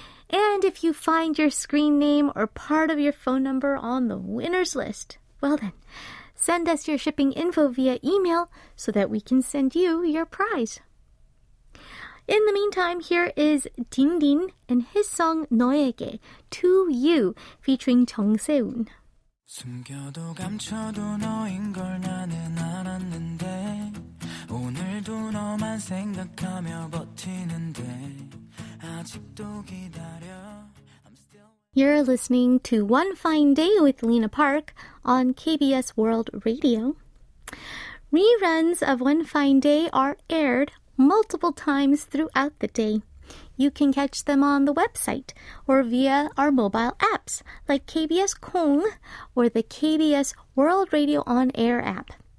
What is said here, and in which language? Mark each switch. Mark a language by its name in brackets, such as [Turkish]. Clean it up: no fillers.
[English] And if you find your screen name or part of your phone number on the winner's list, well then, send us your shipping info via email so that we can send you your prize. In the meantime, here is Din Din and his song 너에게, To You, featuring 정세훈. [Korean] 숨겨도 감춰도 너인 걸 나는 알았는데 오늘도 너만 생각하며 버티는데 아직도 기다려. [English] You're listening to One Fine Day with Lena Park on KBS World Radio. Reruns of One Fine Day are aired multiple times throughout the day. You can catch them on the website or via our mobile apps like KBS Kong or the KBS World Radio On Air app.